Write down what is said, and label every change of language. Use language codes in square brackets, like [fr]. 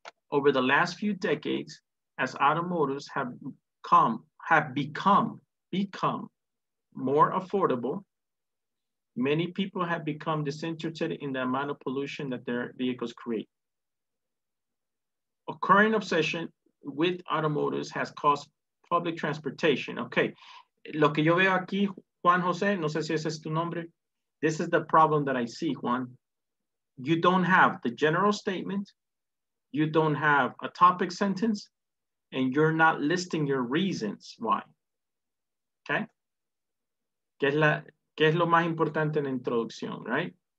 [en] Over the last few decades, as automotives have become more affordable, many people have become disinterested in the amount of pollution that their vehicles create. A current obsession with automotives has caused public transportation. [es] Okay, lo que yo veo aquí, Juan Jose, no sé si ese es tu nombre. [en] This is the problem that I see, Juan. You don't have the general statement. You don't have a topic sentence, and you're not listing your reasons why. Okay? [es] ¿Qué es lo más importante en la introducción, right?